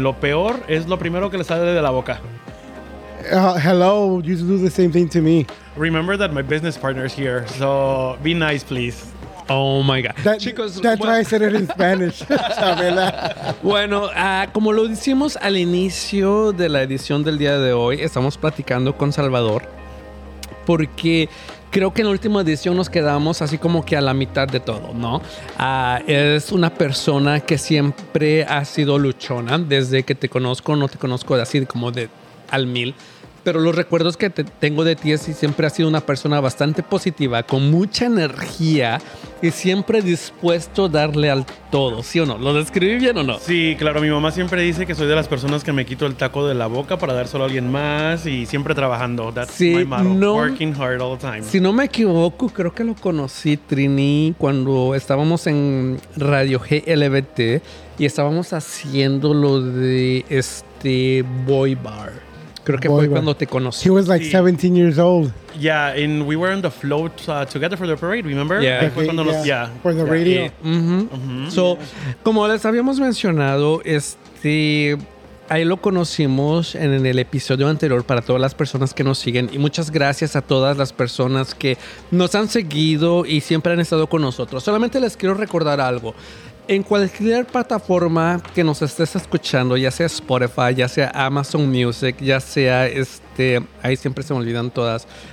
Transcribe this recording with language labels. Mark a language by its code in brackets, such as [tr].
[es] Lo peor es lo primero que le sale de la boca. [en] Hello, you do the same thing to me. Remember that my business partner's here, so be nice, please. Oh my God. That's why I said it in Spanish. [es] Bueno, como lo decimos al inicio de la edición del día de hoy, estamos platicando con Salvador porque creo que en la última edición nos quedamos así como que a la mitad de todo, ¿no? Es una persona que siempre ha sido luchona desde que te conozco, no te conozco así como de al mil, pero los recuerdos que tengo de ti es que siempre ha sido una persona bastante positiva, con mucha energía y siempre dispuesto a darle al todo, ¿sí o no? ¿Lo describí bien o no? Sí, claro, mi mamá siempre dice que soy de las personas que me quito el taco de la boca para dárselo a alguien más y siempre trabajando. [en] That's my motto, working hard all the time. [es] Si no me equivoco, creo que lo conocí, Trini, cuando estábamos en Radio GLBT y estábamos haciendo lo de este Boy Bar. Creo que fue cuando te conocí. [en] He was like 17 years old. Yeah, and we were on the float together for the parade, remember? Yeah. For the radio. Yeah. Mm-hmm. Mm-hmm. [es] So, como les habíamos mencionado, ahí lo conocimos en el episodio anterior para todas las personas que nos siguen. Y muchas gracias a todas las personas que nos han seguido y siempre han estado con nosotros. Solamente les quiero recordar algo. En cualquier plataforma que nos estés escuchando, ya sea Spotify, ya sea Amazon Music, ya sea ahí siempre se me olvidan todas.